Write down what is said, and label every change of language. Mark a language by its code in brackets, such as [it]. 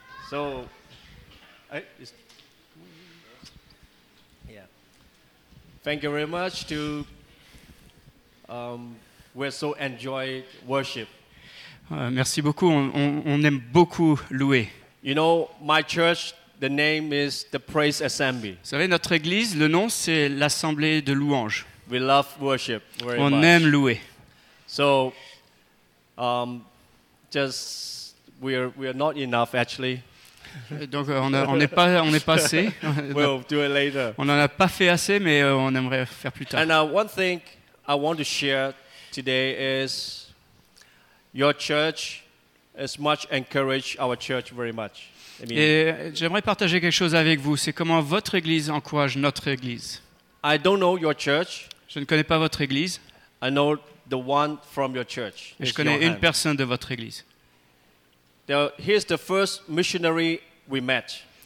[en] So, thank you very much to, we so enjoy worship. [fr] Merci beaucoup, on aime beaucoup louer. [en] You know, my church, the name is the Praise Assembly. [fr] Vous savez, notre église, le nom, c'est l'Assemblée de Louanges. [en] We love worship very [fr] on [en] much. [fr] On aime louer. [en] So, just, we are not enough actually. [fr] Donc on n'est pas assez. [en] We'll do it later. [fr] On n'en a pas fait assez, mais on aimerait faire plus tard. [en] And one thing I want to share today is your church has much encouraged our church very much. I mean, [fr] et j'aimerais partager quelque chose avec vous. C'est comment votre église encourage notre église. [en] I don't know your church. [fr] Je ne connais pas votre église. [en] I know the one from your church. [fr] Et je connais une personne de votre église. [en] Here's the first missionary we met.